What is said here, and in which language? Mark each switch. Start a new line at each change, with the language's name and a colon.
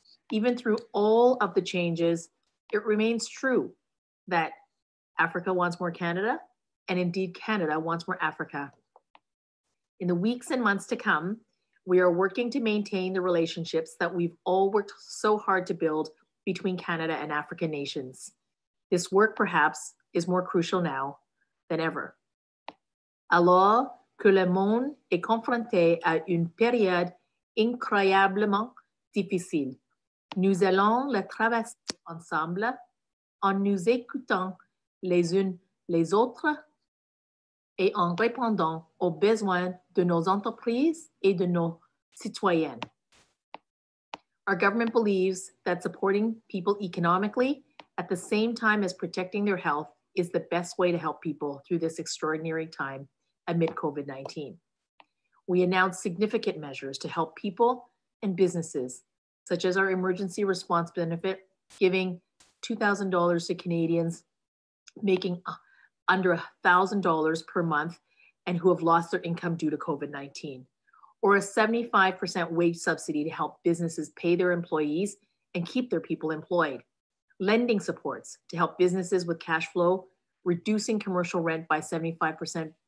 English: Even through all of the changes, it remains true that Africa wants more Canada, and indeed Canada wants more Africa. In the weeks and months to come, we are working to maintain the relationships that we've all worked so hard to build between Canada and African nations. This work perhaps is more crucial now than ever.
French: Alors que le monde est confronté à une période incroyablement difficile, nous allons la traverser ensemble en nous écoutant les unes les autres et en répondant aux besoins de nos entreprises et de nos citoyens.
English: Our government believes that supporting people economically at the same time as protecting their health is the best way to help people through this extraordinary time amid COVID-19. We announced significant measures to help people and businesses, such as our emergency response benefit, giving $2,000 to Canadians making under $1,000 per month and who have lost their income due to COVID-19, or a 75% wage subsidy to help businesses pay their employees and keep their people employed, lending supports to help businesses with cash flow, reducing commercial rent by 75%